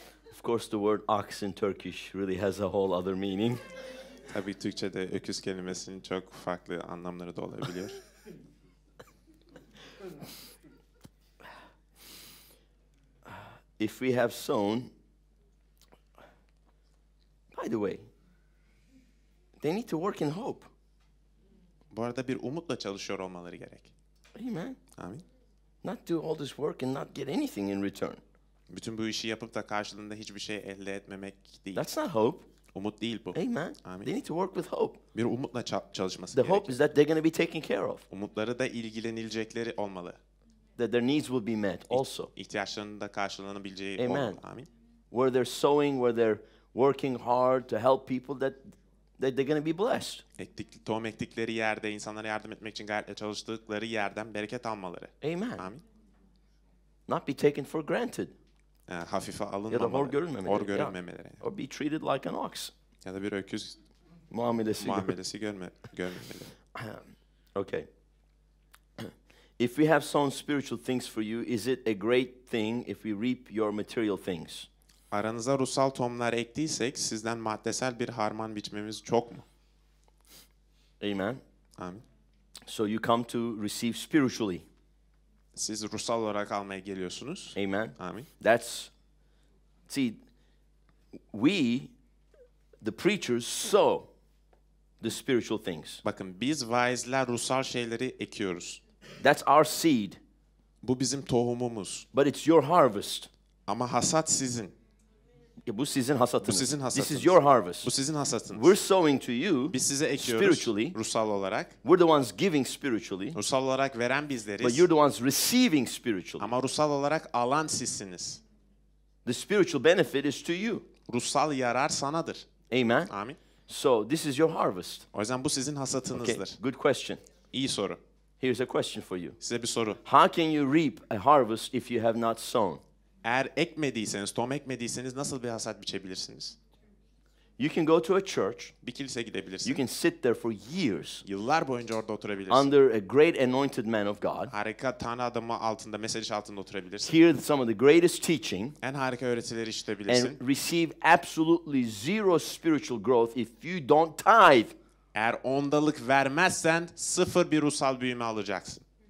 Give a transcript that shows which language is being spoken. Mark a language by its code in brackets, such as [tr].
[en] Of course, the word ox in Turkish really has a whole other meaning. [tr] Tabii Türkçe'de öküz kelimesinin çok farklı anlamları da olabiliyor. [en] If we have sown. By the way, they need to work in hope. [tr] Bu arada bir umutla çalışıyor olmaları gerek. [en] Amen. [tr] Amin. [en] Not do all this work and not get anything in return. [tr] Bütün bu işi yapıp da karşılığında hiçbir şey elde etmemek değil. [en] That's not hope. [tr] Umut değil bu. [en] Amen. [tr] Amin. [en] They need to work with hope. [tr] Bir umutla çalışması the gerek. [en] The hope is that they're going to be taken care of. [tr] Umutları da ilgilenilecekleri olmalı. [en] that their needs will be met also. [tr] İhtiyaçlarının da karşılanabileceği. [en] Amen. Amin. Where they're sowing, where they're working hard to help people, that they're going to be blessed. [tr] Tohum ektikleri yerde, insanlara yardım etmek için gayretle çalıştıkları yerden bereket almaları. [en] Amen. Amin. Not be taken for granted. [tr] Hafife alınmamaları. Ya da hor görünmemeleri. Hor görünmemeleri. [en] Yeah. Or be treated like an ox. [tr] Ya da bir öküz muamelesi görmemeleri. [en] Okay. If we have sown spiritual things for you, is it a great thing if we reap your material things? [tr] Aranıza ruhsal tohumlar ektiysek sizden maddesel bir harman biçmemiz çok mu? [en] Amen. [tr] Amin. [en] So you come to receive spiritually. [tr] Siz ruhsal olarak almaya geliyorsunuz. [en] Amen. [tr] Amin. [en] That's see we the preachers sow the spiritual things. [tr] Bakın biz vaizler ruhsal şeyleri ekiyoruz. [en] That's our seed. Bu bizim tohumumuz. But it's your harvest. [tr] Ama hasat sizin. Bu sizin hasatınız. Bu sizin hasatınız. [en] This is your harvest. [tr] Bu sizin hasatınız. [en] We're sowing to you. [tr] Biz size ekiyoruz [en] spiritually. [tr] Ruhsal olarak. [en] We're the ones giving spiritually. [tr] Ruhsal olarak veren bizleriz. [en] But you're the ones receiving spiritually. [tr] Ama ruhsal olarak alan sizsiniz. [en] The spiritual benefit is to you. [tr] Ruhsal yarar sanadır. [en] Amen. [tr] Amin. [en] So this is your harvest. [tr] O yüzden bu sizin hasatınızdır. [en] Okay. Good question. [tr] İyi soru. [en] Here's a question for you. [tr] Size bir soru. [en] How can you reap a harvest if you have not sown? [tr] Eğer ekmediyseniz, tohum ekmediyseniz nasıl bir hasat biçebilirsiniz? [en] You can go to a church. [tr] Bir kiliseye gidebilirsiniz. [en] You can sit there for years. [tr] Yıllar boyunca orada oturabilirsiniz. [en] Under a great anointed man of God. [tr] Harika Tanrı adamı altında, mesaj altında oturabilirsiniz. [en] Hear some of the greatest teaching. [tr] En harika öğretileri işitebilirsin. [en] And receive absolutely zero spiritual growth if you don't tithe. [tr] Eğer ondalık vermezsen sıfır bir ruhsal büyüme alacaksın.